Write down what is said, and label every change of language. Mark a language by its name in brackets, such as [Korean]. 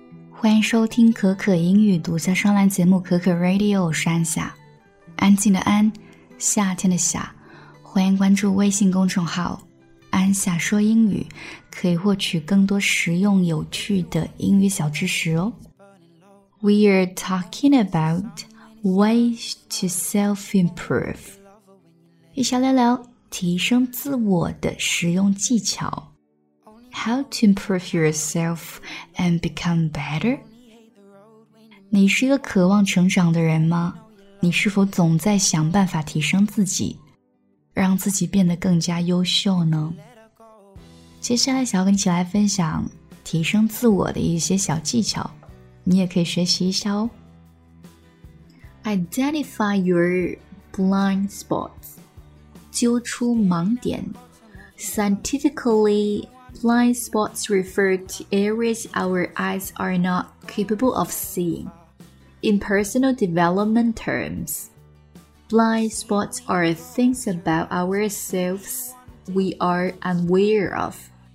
[Chinese] 欢迎收听可可英语独家商栏节目可可 Radio， 我是安夏，安静的安，夏天的夏。欢迎关注微信公众号安夏说英语，可以获取更多实用有趣的英语小知识哦。 [English] We are talking about ways to self-improve， [Chinese] 一起聊聊提升自我的实用技巧。 [English] How to improve yourself and become better? [Chinese] 你是一个渴望成长的人吗？你是否总在想办法提升自己，让自己变得更加优秀呢？接下来想要跟你一起来分享提升自我的一些小技巧，你也可以学习一下哦。 [English] Identify your blind spots. [Chinese] 揪出盲点。 [English] Scientifically,Blind spots refer to areas our eyes are not capable of seeing. In personal development terms, blind spots are things about ourselves we are unaware of.